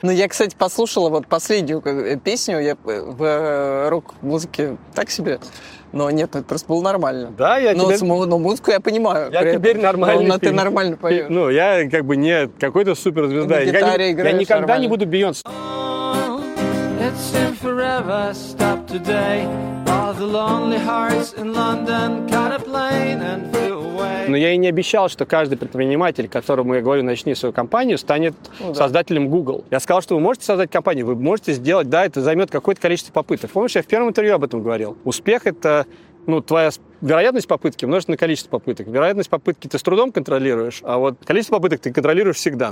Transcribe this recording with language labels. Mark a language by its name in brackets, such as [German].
[Russian] Ну, я, кстати, послушала вот последнюю песню, я в рок-музыке так себе... Но нет, это просто было нормально. Да, я но теперь... Но музыку я понимаю. Я теперь нормальный. Но ты нормально поешь. Ну, я как бы не какой-то суперзвезда. На гитаре играешь нормально. Я никогда не буду Бейонсе. [English] Oh, it seemed forever, stop today. All the lonely hearts in London caught a plane and flew away. [Russian] Но я и не обещал, что каждый предприниматель, которому я говорю, начни свою компанию, станет создателем Google. Я сказал, что вы можете создать компанию, вы можете сделать, да, это займет какое-то количество попыток. Помнишь, я в первом интервью об этом говорил? Успех – это, ну, твоя вероятность попытки умножить на количество попыток. Вероятность попытки ты с трудом контролируешь, а вот количество попыток ты контролируешь всегда.